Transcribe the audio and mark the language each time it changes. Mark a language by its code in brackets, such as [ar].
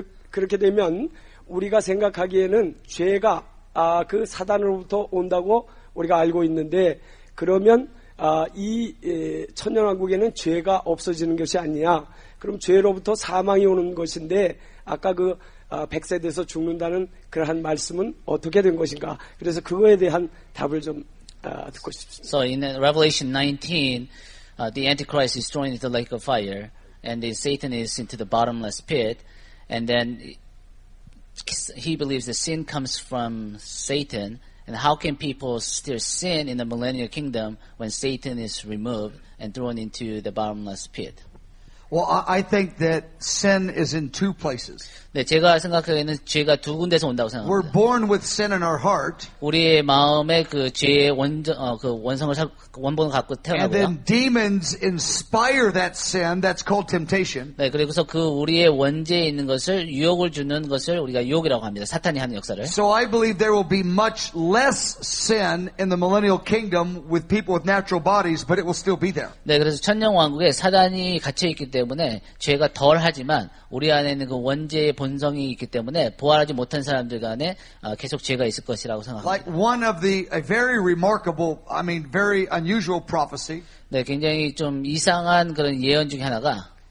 [ko] 그렇게 되면 우리가 생각하기에는 죄가 그 사단으로부터 온다고 우리가 알고 있는데 그러면 이 천년왕국에는 죄가 없어지는 것이 아니냐. 그럼 죄로부터 사망이 오는 것인데 아까 그 백세 돼서 죽는다는 그러한 말씀은 어떻게 된 것인가. 그래서 그거에 대한 답을 좀 [en] So in Revelation 19, the Antichrist is thrown into the lake of fire, and then Satan is into the bottomless pit, and then he believes that sin comes from Satan, and how can people still sin in the millennial kingdom when Satan is removed and thrown into the bottomless pit? Well, I think that sin is in two places. [ko] 네, 제가 생각하기에는 죄가 두 군데서 온다고 생각합니다. [en] We're born with sin in our heart. [ko] 우리의 마음에 그 죄의 원본을 갖고 태어나고요. [en] And then demons inspire that sin. That's called temptation. [ko] 네, 그리고서 그 우리의 원죄에 있는 것을 유혹을 주는 것을 우리가 유혹이라고 합니다. 사탄이 하는 역사를. [en] So I believe there will be much less sin in the millennial kingdom with people with natural bodies, but it will still be there. [ko] 네, 그래서 천년 왕국에 사단이 갇혀 있기 때문에 죄가 덜하지만 우리 안에 있는 그 원죄의 본성이 있기 때문에 부활하지 못한 사람들 간에 계속 죄가 있을 것이라고 생각합니다. [en] Like one of the a very remarkable, I mean, very unusual prophecy. [ko] 네, 굉장히 좀 이상한 그런 예언 중에 하나가